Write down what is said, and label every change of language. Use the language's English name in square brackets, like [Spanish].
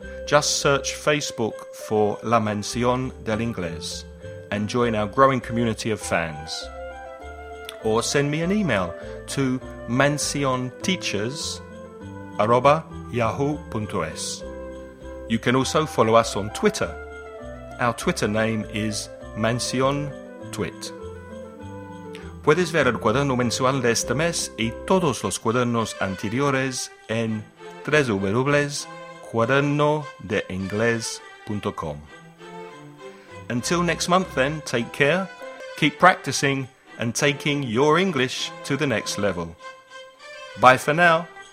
[English] Just search Facebook for La Mansión del Inglés and join our growing community of fans. Or send me an email to mansionteachers@yahoo.es. You can also follow us on Twitter. Our Twitter name is MansionTwit. [Spanish] Puedes ver el cuaderno mensual de este mes y todos los cuadernos anteriores en www.cuadernodeingles.com. [English] Until next month then, take care, keep practicing and taking your English to the next level. Bye for now.